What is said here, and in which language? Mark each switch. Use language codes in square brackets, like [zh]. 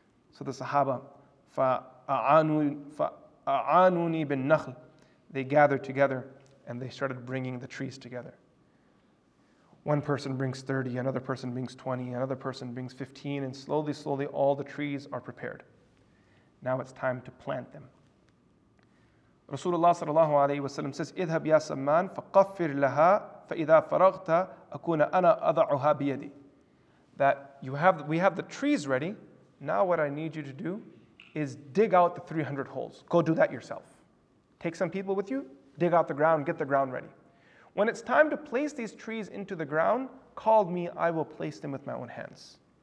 [en] So the Sahaba, [ar] fa'anuni bin nakhl. [en] They gathered together and they started bringing the trees together. One person brings 30, another person brings 20, another person brings 15, and slowly, slowly all the trees are prepared. Now it's time to plant them. Rasulullah sallallahu alayhi wa sallam says, [ar] اِذْهَبْ يَا سَمَّانْ فَقَفِّرْ لَهَا فَإِذَا فَرَغْتَ أَكُونَ أَنَا أَضَعُهَا بِيَدِي. [en] That we have the trees ready, now what I need you to do is dig out the 300 holes. Go do that yourself. Take some people with you, dig out the ground, get the ground ready. When it's time to place these trees into the ground, call me, I will place them with my own hands.